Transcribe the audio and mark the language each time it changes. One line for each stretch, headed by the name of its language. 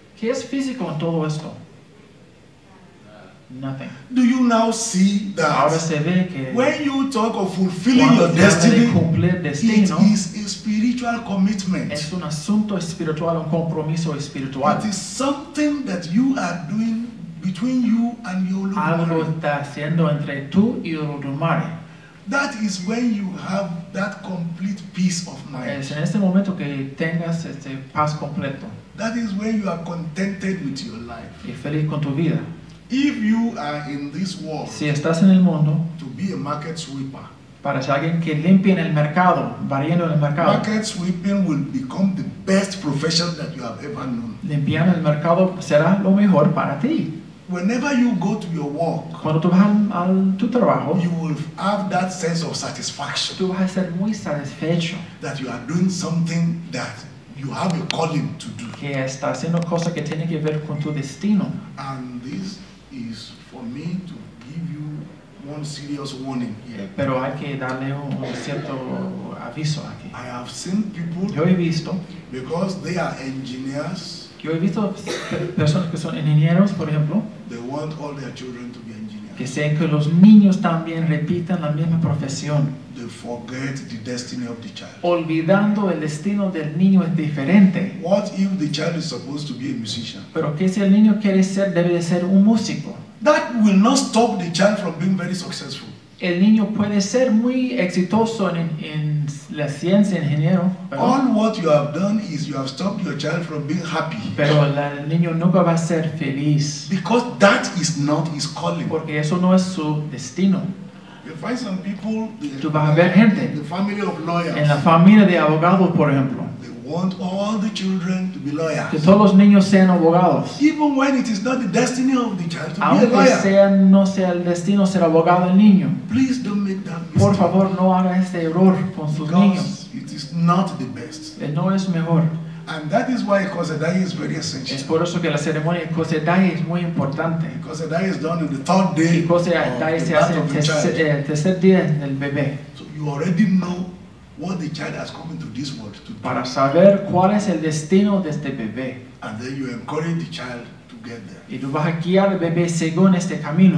Spanish: ¿Qué es físico en todo esto?
English: Nothing. Do you now see that?
Spanish: Ahora se ve que
English: when you talk of fulfilling your destiny,
Spanish: destino,
English: it is a spiritual commitment.
Spanish: Es un asunto espiritual, un compromiso espiritual.
English: It is something that you are doing between you and your Lord.
Spanish: Algo está haciendo entre tú y el Lord.
English: That is when you have that complete peace of mind.
Spanish: Es en este momento que tengas este paz completo.
English: That is when you are contented with your life.
Spanish: Y feliz con tu vida.
English: If you are in this world,
Spanish: si estás en el mundo,
English: to be a market sweeper,
Spanish: para ser alguien que limpie en el mercado, barriendo en el mercado,
English: market sweeping will become the best profession that you have ever known.
Spanish: Limpiar en el mercado será lo mejor para ti.
English: Whenever you go to your work,
Spanish: cuando tú vas al tu trabajo,
English: you will have that sense of satisfaction.
Spanish: Tú vas a ser muy satisfecho.
English: That you are doing something that you have a calling to do.
Spanish: Que estás haciendo cosas que tienen que ver con tu destino.
English: And this is for me to give you one serious warning here.
Spanish: Pero hay que darle un cierto aviso aquí.
English: I have seen people.
Spanish: Yo he visto.
English: Because they are engineers.
Spanish: Yo he visto personas que son ingenieros, por ejemplo.
English: They want all their children to be engineers.
Spanish: Que sean que los niños también repitan la misma profesión.
English: They forget the destiny of the child.
Spanish: Olvidando el destino del niño es diferente.
English: What if the child is supposed to be a musician?
Spanish: Pero que si el niño quiere ser, debe de ser un músico.
English: That will not stop the child from being very successful.
Spanish: El niño puede ser muy exitoso en la ciencia, ingeniero. Pero
English: all what you have done is you have stopped your child from being happy.
Spanish: Pero el niño nunca va a ser feliz.
English: Because that is not his calling.
Spanish: Porque eso no es su destino.
English: You find some people,
Spanish: tú vas a ver gente
English: in the family of lawyers,
Spanish: en la familia de abogados, por ejemplo.
English: They want all the children to be lawyers.
Spanish: Que todos los niños sean abogados.
English: Even when it is not the destiny of the child to
Spanish: aunque
English: be a lawyer.
Spanish: Sea, no sea el destino ser abogado el niño.
English: Please don't make that mistake.
Spanish: Por favor, no haga ese error con sus
English: because
Spanish: niños.
English: It is not the best.
Spanish: No es mejor.
English: And that is why Kosedai is very essential.
Spanish: Es por eso que la ceremonia Kosedai es muy importante.
English: Kosedai is done on the third day.
Spanish: Kosedai se hace el tercer día del bebé.
English: So you already know what the child has come into this world to do.
Spanish: Para saber cuál es el destino de este bebé.
English: And then you encourage the child to get there.
Spanish: Y tú vas a guiar al bebé según este camino.